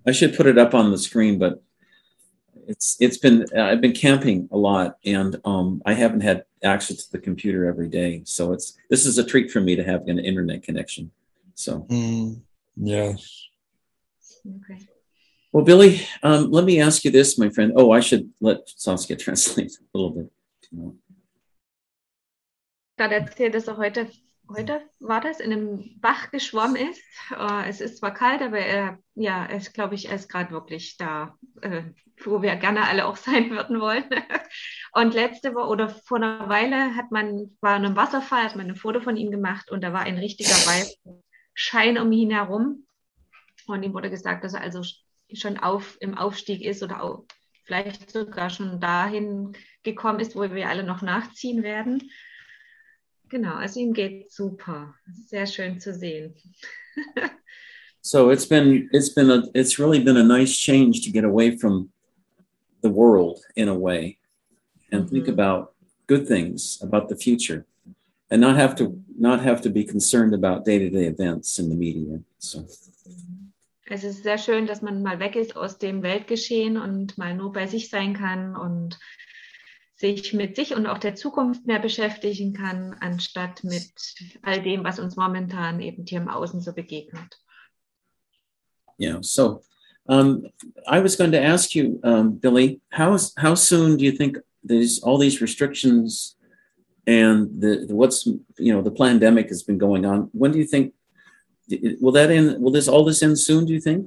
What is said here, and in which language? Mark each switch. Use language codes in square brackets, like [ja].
[en] I should put it up on the screen, but I've been camping a lot, and I haven't had access to the computer every day. So this is a treat for me to have an internet connection. So Yes. Okay. Well, Billy, let me ask you this, my friend. Oh, I should let Saskia translate a little bit. [de] Gerade erzählt, dass er heute war das, in einem Bach geschwommen ist. Es ist zwar kalt, aber er ist gerade wirklich da, wo wir gerne alle auch sein würden wollen. Und letzte Woche oder vor einer Weile war in einem Wasserfall, hat man ein Foto von ihm gemacht und da war ein richtiger Weißschein um ihn herum. Und ihm wurde gesagt, dass er also schon im Aufstieg ist oder auch vielleicht sogar schon dahin gekommen ist, wo wir alle noch nachziehen werden. Genau, also ihm geht super. Sehr schön zu sehen. [en] So it's really been a nice change to get away from the world in a way and think about good things, about the future, and not have to be concerned about day-to-day events in the media. So [de] es ist sehr schön, dass man mal weg ist aus dem Weltgeschehen und mal nur bei sich sein kann und sich mit sich und auch der Zukunft mehr beschäftigen kann, anstatt mit all dem, was uns momentan eben hier im Außen so begegnet. [en] Yeah, so I was going to ask you, Billy, how soon do you think all these restrictions and the pandemic has been going on, when do you think, will this end soon, do you think?